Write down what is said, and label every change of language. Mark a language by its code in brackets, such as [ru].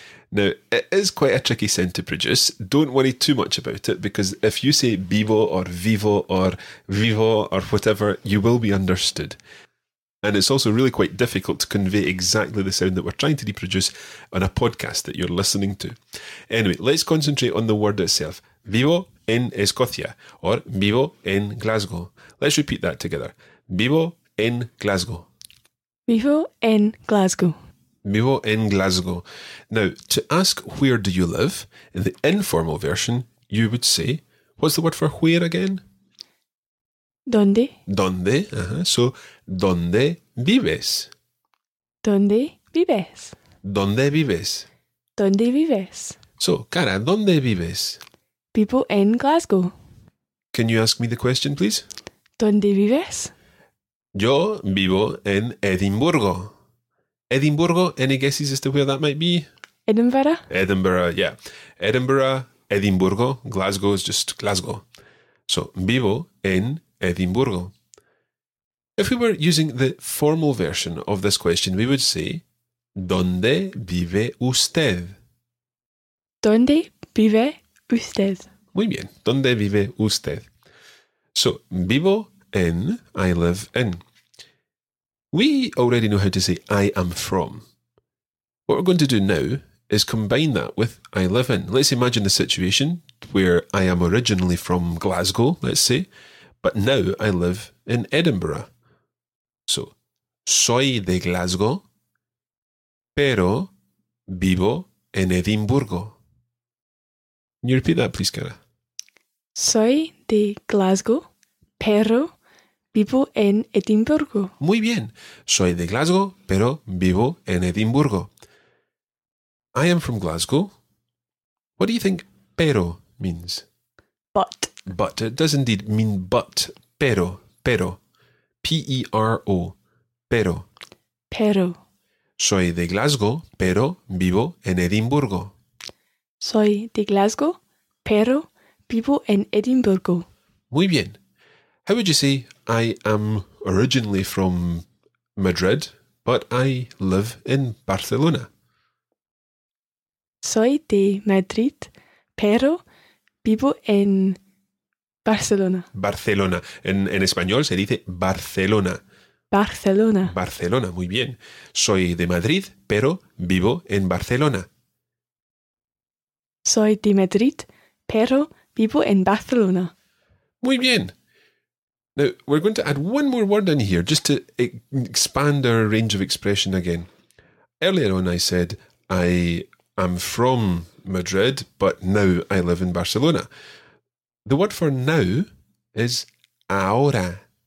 [en] Now, it is quite a tricky sound to produce. Don't worry too much about it, because if you say vivo or vivo or vivo or whatever, you will be understood. And it's also really quite difficult to convey exactly the sound that we're trying to reproduce on a podcast that you're listening to. Anyway, let's concentrate on the word itself. [es] Vivo en Escocia or vivo en Glasgow. [en] Let's repeat that together. [es] Vivo en Glasgow. Vivo en Glasgow. Vivo en Glasgow. [en] Now, to ask where do you live, in the informal version, you would say, what's the word for where again? [es] ¿Dónde? ¿Dónde? Uh-huh. So, ¿dónde vives? ¿Dónde vives? ¿Dónde vives? ¿Dónde vives? So, Cara, ¿dónde vives? Vivo en Glasgow. [en] Can you ask me the question, please? [es] ¿Dónde vives? Yo vivo en Edimburgo. [en] Edimburgo, any guesses as to where that might be? Edinburgh. Edinburgh, yeah. Edinburgh, Edimburgo, Glasgow is just Glasgow. So, [es] vivo en Edimburgo. [en] If we were using the formal version of this question, we would say, [es] ¿dónde vive usted? ¿Dónde vive usted? Muy bien, ¿dónde vive usted? [en] So, [es] vivo en, [en] I live in. We already know how to say I am from. What we're going to do now is combine that with I live in. Let's imagine the situation where I am originally from Glasgow, let's say, but now I live in Edinburgh. [es] So, soy de Glasgow, pero vivo en Edimburgo. [en] Can you repeat that, please, Cara? [es] Soy de Glasgow, pero vivo en Edimburgo. Muy bien. Soy de Glasgow, pero vivo en Edimburgo. [en] I am from Glasgow. What do you think pero means? But. But. It does indeed mean but. Pero. Pero. P-E-R-O. Pero. [es] Pero. Soy de Glasgow, pero vivo en Edimburgo. Soy de Glasgow, pero vivo en Edimburgo. Muy bien. [en] How would you say I am originally from Madrid, but I live in Barcelona? [es] Soy de Madrid, pero vivo en Barcelona. Barcelona. En español se dice Barcelona. Barcelona. Barcelona, muy bien. Soy de Madrid, pero vivo en Barcelona. Soy de Madrid, pero vivo en Barcelona. Muy bien. [en] Now, we're going to add one more word in here just to expand our range of expression again. Earlier on I said I am from Madrid, but now I live in Barcelona. The word for now is ahora.